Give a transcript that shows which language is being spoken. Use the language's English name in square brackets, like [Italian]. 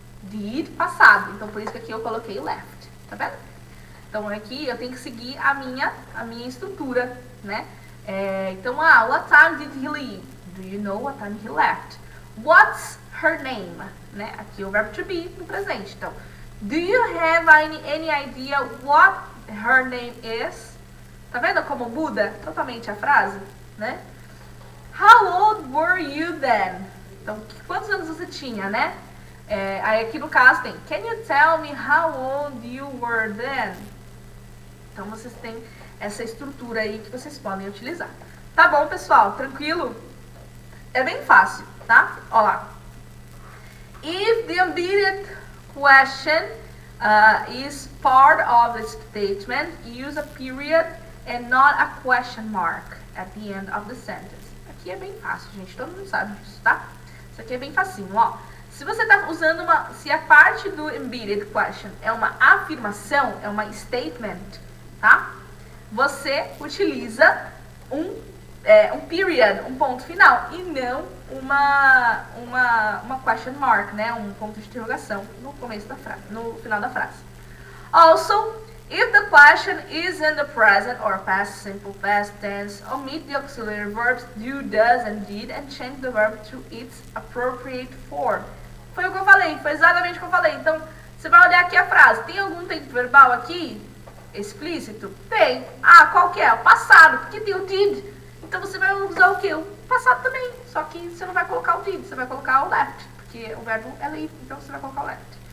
[Portuguese] Did, passado. Então, por isso que aqui eu coloquei left. Tá vendo? Então, aqui eu tenho que seguir a minha estrutura, né? [English] What time did he leave? Do you know what time he left? What's her name? Né? [Portuguese] Aqui é o verbo to be no presente. [English] Então, do you have any idea what her name is? [Portuguese] Tá vendo como muda totalmente a frase? Né? [English] How old were you then? [Portuguese] Então, quantos anos você tinha, né? Aí aqui no caso tem, [English] can you tell me how old you were then? [Portuguese] Então vocês têm essa estrutura aí que vocês podem utilizar. Tá bom, pessoal? Tranquilo? É bem fácil, tá? Ó lá. [English] If the ambiguous question is part of the statement, use a period and not a question mark at the end of the sentence. [Portuguese] Aqui é bem fácil, gente. Todo mundo sabe disso, tá? Isso aqui é bem facinho, ó. Se você está usando se a parte do embedded question é uma afirmação, é uma statement, tá? Você utiliza um period, um ponto final, e não uma question mark, né? Um ponto de interrogação no começo da frase, no final da frase. [English] Also, if the question is in the present or past simple past tense, omit the auxiliary verbs do, does, and did, and change the verb to its appropriate form. [Portuguese] Foi o que eu falei, foi exatamente o que eu falei. Então, você vai olhar aqui a frase. Tem algum tempo verbal aqui? Explícito? Tem. Ah, qual que é? O passado, porque tem o did. Então, você vai usar o quê? O passado também. Só que você não vai colocar o did, você vai colocar o left. Porque o verbo é leave, então você vai colocar o left.